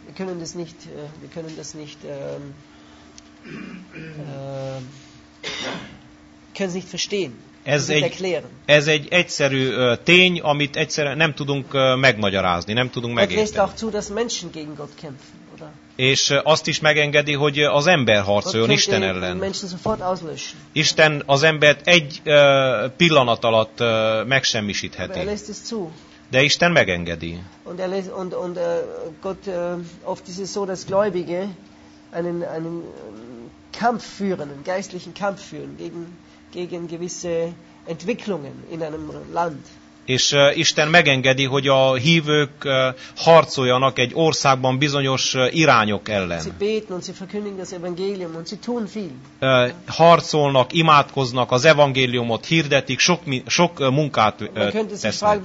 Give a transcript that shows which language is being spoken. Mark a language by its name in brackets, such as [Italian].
[German] Wir können das nicht, können es nicht verstehen. [Hungarian] Ez egy, egyszerű tény, amit egyszerűen nem tudunk megmagyarázni, nem tudunk megérteni. [German] Gott lässt auch zu, dass Menschen gegen Gott kämpfen, oder? [Hungarian] És azt is megengedi, hogy az ember harcoljon Isten ellen. Isten az embert egy pillanat alatt megsemmisítheti. [German] Aber er lässt es zu. [Hungarian] De Isten megengedi. [German] Und er lässt, und Gott, oft ist es so, dass Gläubige einen Kampf führen, einen geistlichen Kampf führen gegen gewisse Entwicklungen in einem Land. [Hungarian] És Isten megengedi, hogy a hívők harcoljanak egy országban bizonyos irányok ellen. [German] Sie beten und sie verkündigen das Evangelium und sie tun viel. [Hungarian] Harcolnak, imádkoznak, az evangéliumot hirdetik, sok munkát tesznek.